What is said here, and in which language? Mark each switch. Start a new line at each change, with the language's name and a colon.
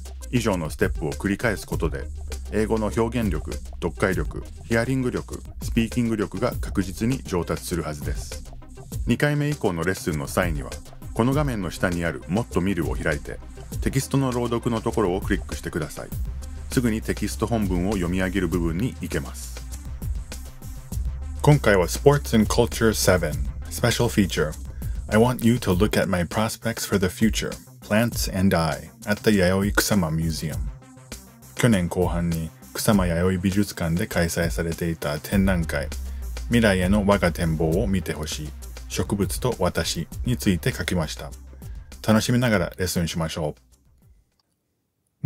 Japanese: 以上のステップを繰り返すことで英語の表現力、読解力、ヒアリング力、スピーキング力が確実に上達するはずです。 2回目以降のレッスンの際にはこの画面の下にあるもっと見るを開いてテキストの朗読のところをクリックしてください。すぐにテキスト本文を読み上げる部分に行けます。今回は
English: Sports and Culture 7 Special Feature I want you to look at my prospects for the futureplants and I at the Yayoi Kusama Museum.
Japanese: 去年後半に草間彌生美術館で開催されていた展覧会未来への我が展望を見てほしい植物と私について書きました。楽しみながらレッスンしましょう。